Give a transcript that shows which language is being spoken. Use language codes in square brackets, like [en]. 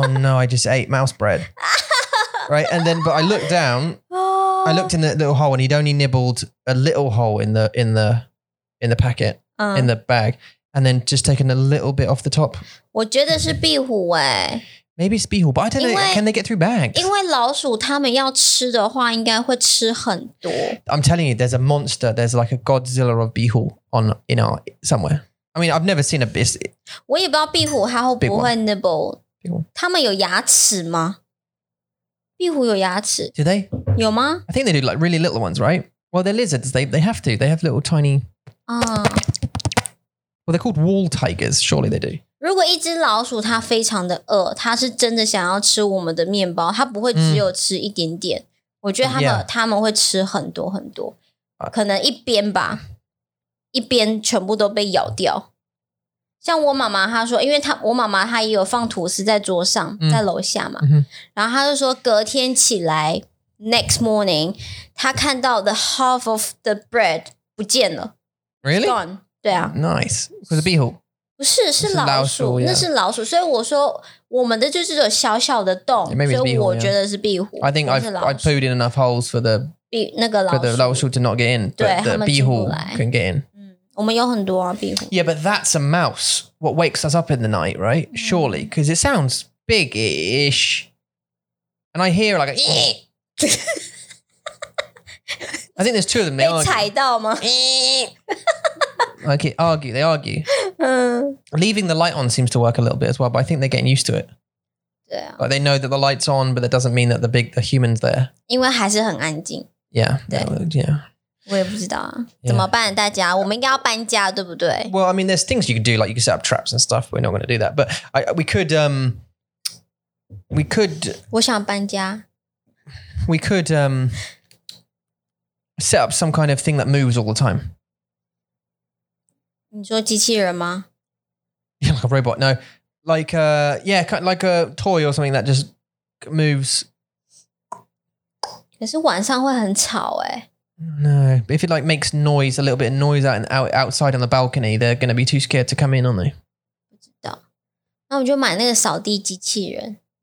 [en] oh, no I just ate mouse bread. Right? And then, but I looked down. Oh. I looked in the little hole and he'd only nibbled a little hole in the packet, in the bag, and then just taken a little bit off the top. [zh] 我觉得是壁虎欸。 [en] Maybe it's 壁虎, but I don't know, can they get through bags? [zh] 因为老鼠他们要吃的话应该会吃很多。 [en] I'm telling you, there's a monster, there's like a Godzilla of 壁虎 on, you know, somewhere. I mean, I've never seen a beast. [zh] 我也不知道壁虎它会不会 [en] nibble. [zh] 他们有牙齿吗? 壁虎有牙齿? [en] Do they? [zh] 有吗? [en] I think they do, like really little ones, right? Well, they're lizards, they have to, they have little tiny... Well, they're called wall tigers, surely they do. [zh] 如果一只老鼠它非常的饿, 它是真的想要吃我们的面包, 它不会只有吃一点点, 我觉得它们会吃很多很多, 可能一边吧, 一边全部都被咬掉。像我妈妈她说, 因为我妈妈她也有放吐司在桌上, 在楼下嘛, 然后她就说隔天起来, [en] next morning, [zh] 她看到 [en] the half of the bread [zh] 不见了。 [en] Really? It's gone. [zh] 对啊。 [en] Nice. Because a beehole. [zh] 不是,是老鼠,那是老鼠, 所以我说我们的就是有小小的洞, [en] yeah, [zh] 所以我觉得是壁虎。 [en] Yeah. I think I've pooed in enough holes for the, [zh] 那个老鼠, [en] for the 老鼠 to not get in, [zh] 对, [en] but the 壁虎 can get in. [zh] 我们有很多啊, 壁虎。 [en] Yeah, but that's a mouse, what wakes us up in the night, right? Surely, because it sounds big-ish. And I hear like a... I think there's two of them, they argue. [zh] 被踩到吗? [en] Okay, argue, they argue. Leaving the light on seems to work a little bit as well, but I think they're getting used to it. Yeah. Like they know that the light's on, but that doesn't mean that the human's there. [zh] 因为还是很安静. [en] Yeah. [zh] 我也不知道啊。怎么办,大家? [en] Yeah. Well, I mean, there's things you could do, like you could set up traps and stuff, but we're not going to do that. But we could... [zh] 我想搬家. [en] We could set up some kind of thing that moves all the time. [zh] 你说机器人吗? [en] Yeah, like a robot, no. Like like a toy or something that just moves. [zh] 可是晚上会很吵欸。 [en] No, but if it like makes noise, a little bit of noise outside on the balcony, they're going to be too scared to come in, aren't they? [zh] 不知道。那我就买那个扫地机器人。